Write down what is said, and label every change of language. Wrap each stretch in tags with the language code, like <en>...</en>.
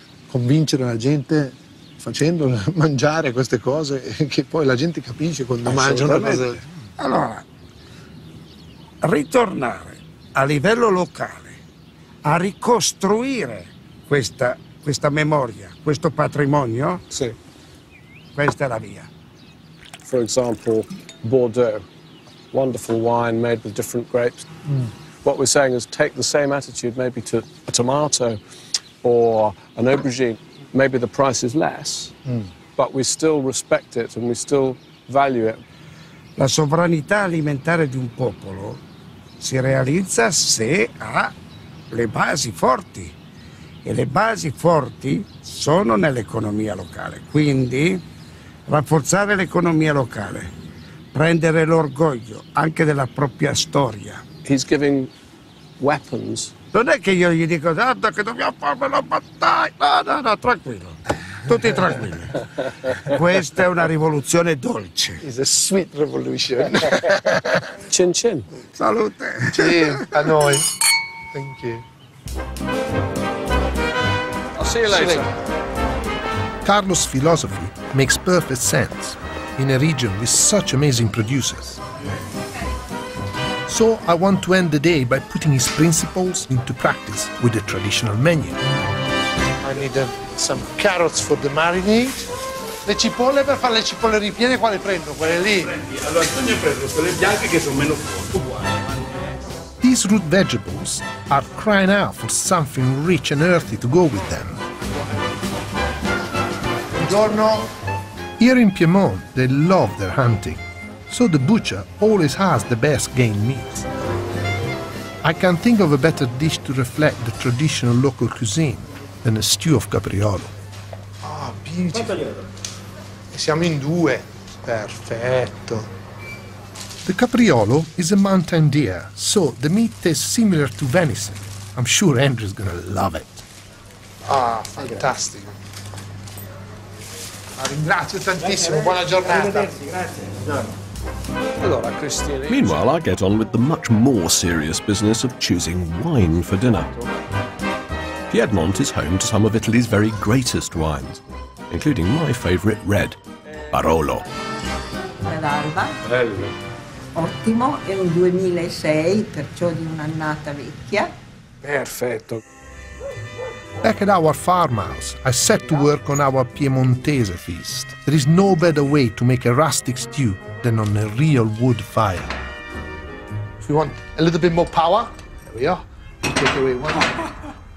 <it>Convincere la gente facendo mangiare queste cose che poi la gente capisce quando mangia una cosa. Allora, ritornare a livello locale a ricostruire questa memoria, questo patrimonio, sì. Questa è la via.</it> <en>For example, Bordeaux, wonderful wine made with different grapes. Mm. What we're saying is take the same attitude maybe to a tomato or an aubergine. Maybe the price is less, but we still respect it and we still value it.</en> <it>La sovranità alimentare di un popolo si realizza se ha le basi forti. E le basi forti sono nell'economia locale. Quindi rafforzare l'economia locale, prendere l'orgoglio anche della propria storia.</it> <en>He's giving weapons.</en> <it>Non è che io gli dico tanto che dobbiamo fare una battaglia. No, no, no, tranquillo. Tutti tranquilli. Questa è una rivoluzione dolce.</it> <en>It's a sweet revolution.</en> <it>Cin cin. Salute. Sì, a noi.</it> <en>Thank you. I'll see you later. Carlo's philosophy makes perfect sense. in a region with such amazing producers. So I want to end the day by putting his principles into practice with a traditional menu. I need some carrots for the marinade.</en> <it>Le cipolle per fare le cipolle ripiene, quale prendo? Quelle lì? Allora, tu ne prendo quelle bianche che sono meno forti.</it> <en>These root vegetables are crying out for something rich and earthy to go with them.</en> <it>Buongiorno.</it> <en>Here in Piedmont, they love their hunting, so the butcher always has the best game meat. I can't think of a better dish to reflect the traditional local cuisine than a stew of capriolo. Ah, beautiful.</en> <it>Siamo in due. Perfetto.</it> <en>The capriolo is a mountain deer, so the meat tastes similar to venison. I'm sure Andrew's gonna love it.</en> <it>Ah, fantastico. Ringrazio tantissimo. Buona giornata. Grazie. Buongiorno. Allora, Cristina.</it> <en>Meanwhile, I get on with the much more serious business of choosing wine for dinner. Piedmont is home to some of Italy's very greatest wines, including my favorite red. Barolo.</en> <it>Bell'alba. Bello. Ottimo, è un 2006, perciò di un'annata vecchia. Perfetto.</it> <en>Back at our farmhouse, I set to work on our Piemontese feast. There is no better way to make a rustic stew than on a real wood fire. If you want a little bit more power, there we are. Take away one.</en>